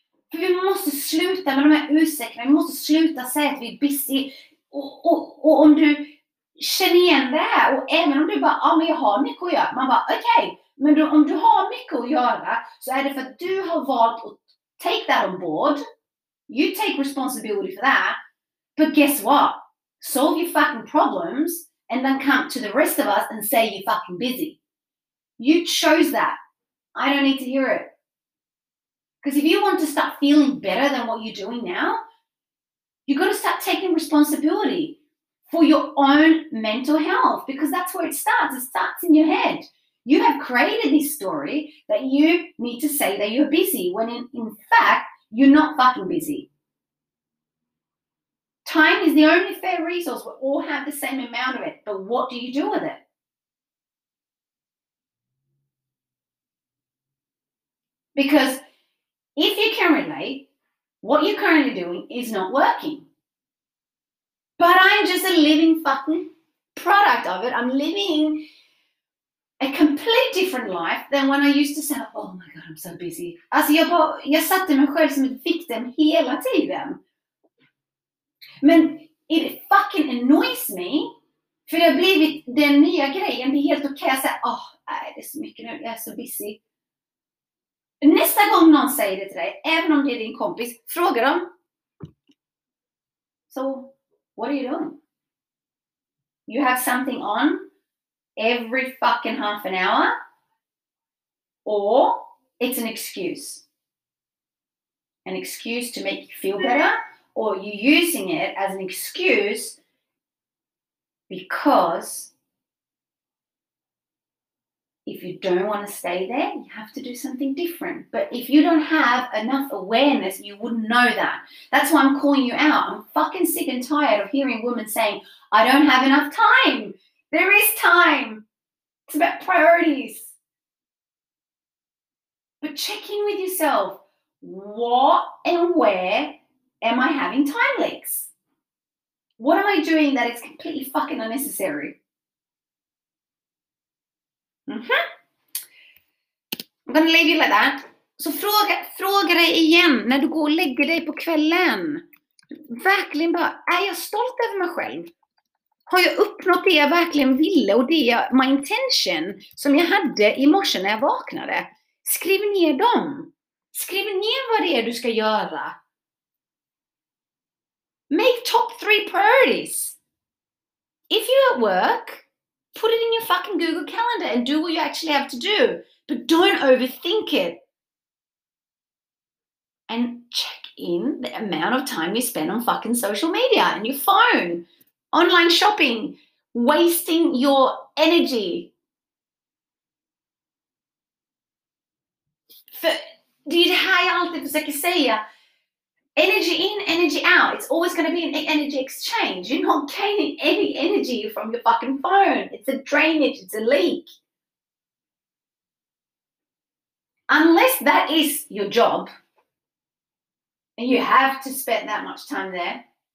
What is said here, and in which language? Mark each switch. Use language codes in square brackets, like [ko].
[sv] För vi måste sluta med de här ursäkterna. Vi måste sluta säga att vi är busy. Och om du känner igen det här. Och även om du bara, ja, men jag har mycket att göra. Man bara, okej. Men då, om du har mycket att göra, så är det för att du har valt att [en] take that on board. You take responsibility for that. But guess what? Solve your fucking problems and then come to the rest of us and say you're fucking busy. You chose that. I don't need to hear it. Because if you want to start feeling better than what you're doing now, you've got to start taking responsibility for your own mental health, because that's where it starts. It starts in your head. You have created this story that you need to say that you're busy when in fact, you're not fucking busy. Time is the only fair resource. We all have the same amount of it, but what do you do with it? Because if you can relate, what you're currently doing is not working. But I'm just a living fucking product of it. I'm living a complete different life than when I used to say, oh my God, I'm so busy. [sv] Alltså jag satte mig själv som en victim hela tiden. Men [en] it fucking annoys me, [sv] för det har blivit den nya grejen. Det är helt okej att säga, åh, det är så mycket nu, jag är så busy. Nästa gång någon säger det till dig, även om det är din kompis, fråga dem. [en] So, what are you doing? You have something on every fucking half an hour? Or it's an excuse. An excuse to make you feel better? Or you're using it as an excuse because if you don't want to stay there, you have to do something different. But if you don't have enough awareness, you wouldn't know that. That's why I'm calling you out. I'm fucking sick and tired of hearing women saying, I don't have enough time. There is time. It's about priorities. But check in with yourself. What and where am I having time leaks? What am I doing that is completely fucking unnecessary? Mm-hmm. I'm gonna leave you like that. [sv] Så fråga dig igen när du går och lägger dig på kvällen. Verkligen bara, är jag stolt över mig själv? Har jag uppnått det jag verkligen ville och det jag, [en] my intention [sv] som jag hade i morse när jag vaknade? Skriv ner dem. Skriv ner vad det är du ska göra. [en] Make top three priorities. If you're at work, put it in your fucking Google Calendar and do what you actually have to do. But don't overthink it. And check in the amount of time you spend on fucking social media and your phone, online shopping, wasting your energy. [sv] För det här jag alltid försöker säga. [en] Energy in, energy out. It's always going to be an energy exchange. You're not gaining any energy from your fucking phone. It's a drainage. It's a leak. Unless that is your job and you have to spend that much time there.